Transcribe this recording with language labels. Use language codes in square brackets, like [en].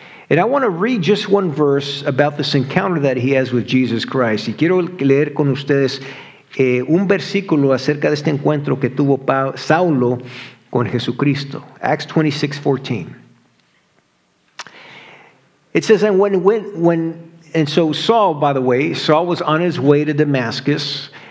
[en] And I want to read just one verse about this encounter that he has with Jesus Christ. [es] Y quiero leer con ustedes un versículo acerca de este encuentro que tuvo Saulo con Jesucristo. [en] Acts 26:14. It says, and when and so Saul, by the way, Saul was on his way to Damascus.